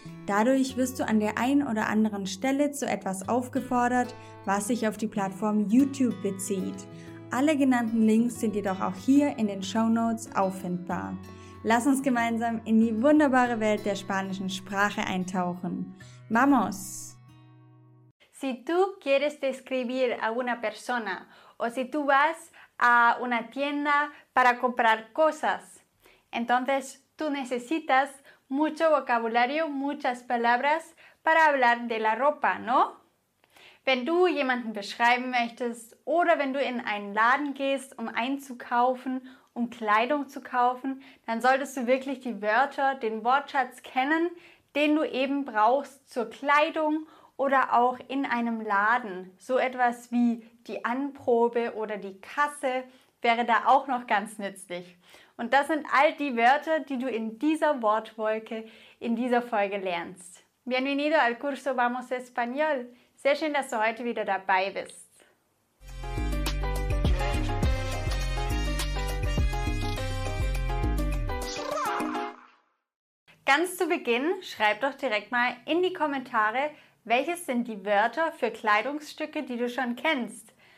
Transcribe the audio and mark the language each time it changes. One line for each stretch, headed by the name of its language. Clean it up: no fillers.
German: Dadurch wirst du an der einen oder anderen Stelle zu etwas aufgefordert, was sich auf die Plattform YouTube bezieht. Alle genannten Links sind jedoch auch hier in den Shownotes auffindbar. Lass uns gemeinsam in die wunderbare Welt der spanischen Sprache eintauchen.
Spanish: ¡Vamos! Si tú quieres describir a una persona o si tú vas a una tienda para comprar cosas, entonces tú necesitas mucho vocabulario, muchas palabras para hablar de la ropa, ¿no?
German: Wenn du jemanden beschreiben möchtest oder wenn du in einen Laden gehst, um einzukaufen, um Kleidung zu kaufen, dann solltest du wirklich die Wörter, den Wortschatz kennen, den du eben brauchst zur Kleidung oder auch in einem Laden. So etwas wie die Anprobe oder die Kasse wäre da auch noch ganz nützlich. Und das sind all die Wörter, die du in dieser Wortwolke in dieser Folge lernst.
Spanish: Bienvenido al curso Vamos Español.
German: Sehr schön, dass du heute wieder dabei bist. Ganz zu Beginn, schreib doch direkt mal in die Kommentare, welches sind die Wörter für Kleidungsstücke, die du schon kennst.